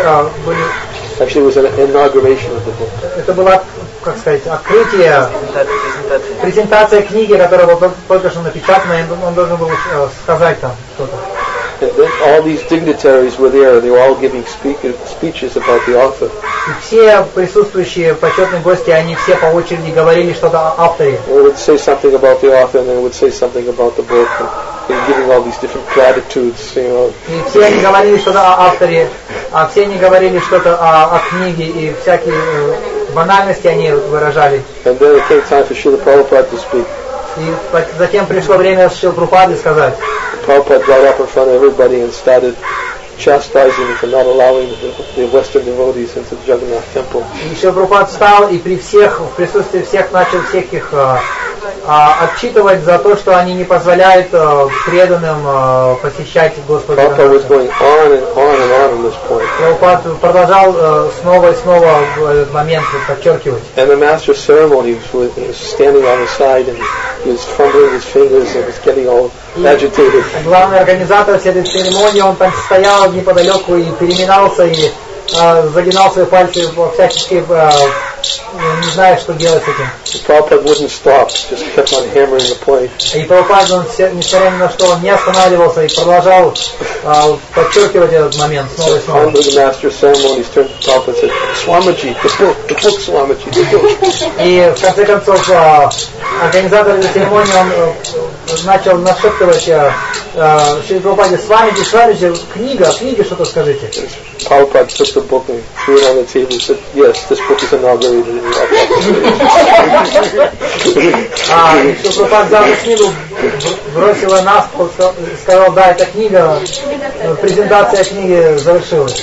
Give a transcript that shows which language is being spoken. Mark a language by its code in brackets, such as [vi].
[en] Actually, it was an inauguration of the book. [ru] Это было, как сказать, открытие, презентация книги, которая была только что напечатана, и он должен был сказать там что-то. [en] All these dignitaries were there, and they were all giving speeches about the author. [ru] И все присутствующие почетные гости, они все по очереди говорили что-то о авторе. [en] They would say something about the author, and they would say something about the book, and they were giving all these different platitudes, you know. [ru] И все они говорили что-то о авторе, а все они говорили что-то о книге, и всякие банальности они выражали. [en] And then it came time for Srila Prabhupada to speak. [ru] И затем пришло время Шрилы Прабхупады сказать. [en] Prabhupada got up in front of everybody and started chastising for not allowing the Western devotees into the Jagannath temple. [ru] И Шрила Прабхупада встал и при всех, в присутствии всех, начал всех их отчитывать за то, что они не позволяют преданным посещать Господа. [en] Prabhupada was going on and on and on at this point. [ru] Прабхупад продолжал снова и снова этот момент подчеркивать. [en] And the master of ceremonies was standing on the side and he was fumbling his fingers and was getting all agitated. [ru] Главный организатор всей этой церемонии, он так стоял неподалеку и переминался и загинал свои пальцы во всячески, не зная, что делать с этим. [en] The Prabhupada wouldn't stop, just kept on hammering the point. [ru] И Прабхупада, несмотря ни на что, он не останавливался и продолжал подчеркивать этот момент снова и снова. [en] Finally, the master of ceremonies turned to Prabhupada and said, Swamiji, the book, Swamiji, the book. [ru] И в конце концов, организатор этой церемонии, он начал нашептывать Шрила Прабхупаде, Свамиджи, книга, что-то скажите. [en] Prabhupada took the book and threw it on the table and said, yes, this book is inaugurated. [ru] Шрила Прабхупада взял книгу, бросил на стол, сказал, да, эта книга, презентация книги завершилась.